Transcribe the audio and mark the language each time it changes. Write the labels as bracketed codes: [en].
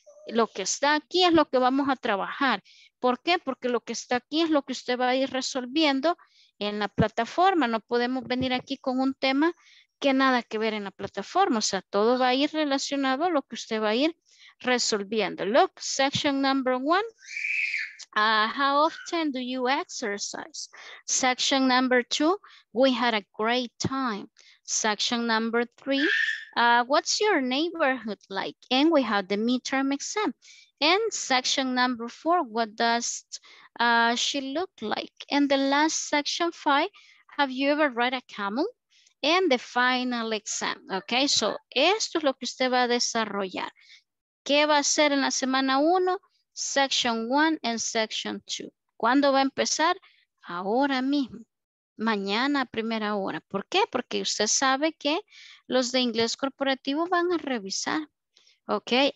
[es] Lo que está aquí es lo que vamos a trabajar. ¿Por qué? Porque lo que está aquí es lo que usted va a ir resolviendo en la plataforma. No podemos venir aquí con un tema que nada que ver en la plataforma. O sea, todo va a ir relacionado a lo que usted va a ir resolviendo. [en] Look, section number one, how often do you exercise? Section number two, we had a great time. Section number three, what's your neighborhood like? And we have the midterm exam. And section number four, what does she look like? And the last section five, have you ever ride a camel? And the final exam, okay? [es] So esto es lo que usted va a desarrollar. ¿Qué va a hacer en la semana 1? [en] Section 1 and section 2. [es] ¿Cuándo va a empezar? Ahora mismo. Mañana a primera hora. ¿Por qué? Porque usted sabe que los de inglés corporativo van a revisar. ¿Ok?